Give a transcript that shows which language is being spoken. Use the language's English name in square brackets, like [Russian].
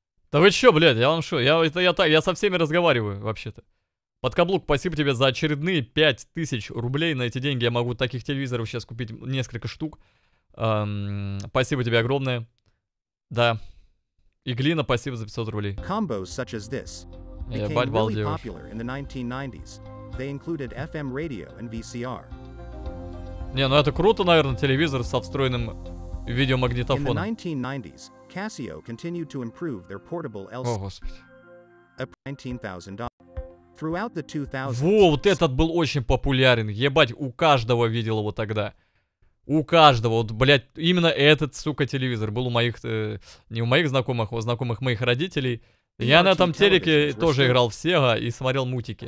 [Russian] Да вы чё, блядь, я вам шо? Я со всеми разговариваю, вообще-то. Подкаблук, спасибо тебе за очередные 5000 рублей. На эти деньги я могу таких телевизоров сейчас купить несколько штук. Спасибо тебе огромное. Да. И Глина, спасибо за 500 рублей. [English] Combos such as this became really popular in the 1990s. They included FM radio and VCR. [Russian] Не, ну это круто, наверное, телевизор со встроенным видеомагнитофоном. [English] In the 1990s, Casio continued to improve their portable LCD. [Russian] О, господи. [English] Throughout the 2000s. [Russian] Вот этот был очень популярен. Ебать, у каждого видел его тогда. У каждого, вот, блядь, именно этот, сука, телевизор был у моих, не у моих знакомых, а у знакомых моих родителей. Я на этом телеке тоже играл в Sega и смотрел мультики.